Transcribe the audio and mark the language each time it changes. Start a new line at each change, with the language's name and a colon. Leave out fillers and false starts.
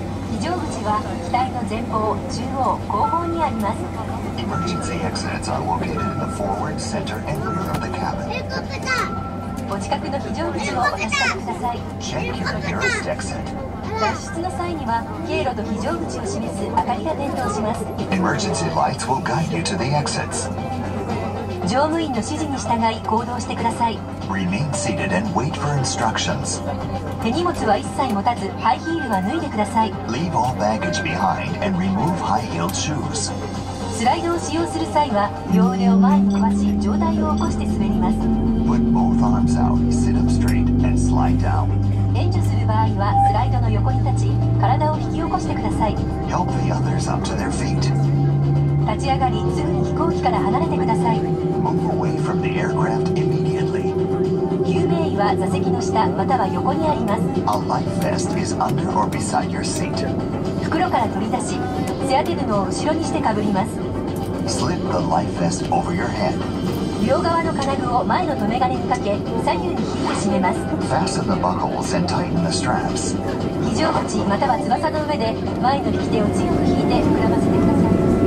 Japanese: 非常口は機体の前方、中央、後方にあります。
English: Emergency exits are located in the forward, center, and rear of the cabin.
Japanese: お近くの非常口をお確かめください。
English: Check your nearest exit.
Japanese: 脱出の際には経路と非常口を示す明かりが点灯します。
English: Emergency lights will guide you to the exits.
Japanese: 乗務員の指示に従い行動してください。
English: Remain seated and wait for instructions.
Japanese: 手荷物は一切持たず、ハイヒールは脱いでください。
English: Leave all baggage behind and remove high-heeled shoes.
Japanese: スライドを使用する際は両腕を前に伸ばし、上体を起こして滑ります。
English: Put both arms out, sit up straight and slide down.
Japanese: 援助する場合はスライドの横に立ち、体を引き起こしてください。
English: Help the others up to their feet.
Japanese: 立ち上がり、すぐに飛行機から離れてください。
English: Move away from the aircraft immediately.
Japanese: 救命衣は座席の下または横にあります。
English: A life vest is under or beside your seat.
Japanese: 袋から取り出し、背当て布を後ろにしてかぶります。
English: Slip the life vest over your head.
Japanese: 両側の金具を前の留め金にかけ、左右に引いて締めます。
English: Fasten the buckles and tighten the straps.
Japanese: 非常口または翼の上で前の利き手を強く引いて膨らませてください。